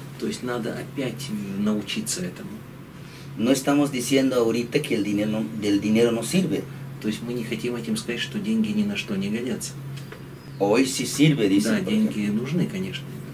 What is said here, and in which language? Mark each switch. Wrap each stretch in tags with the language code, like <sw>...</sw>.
<ru>То есть надо опять научиться этому.</ru> <es>No estamos diciendo ahorita que del dinero no sirve.</es> <ru>То есть мы не хотим этим сказать, что деньги ни на что не годятся.</ru> <es>Hoy sí sirve, dicen.</es> <ru>Да, деньги нужны, конечно.</ru>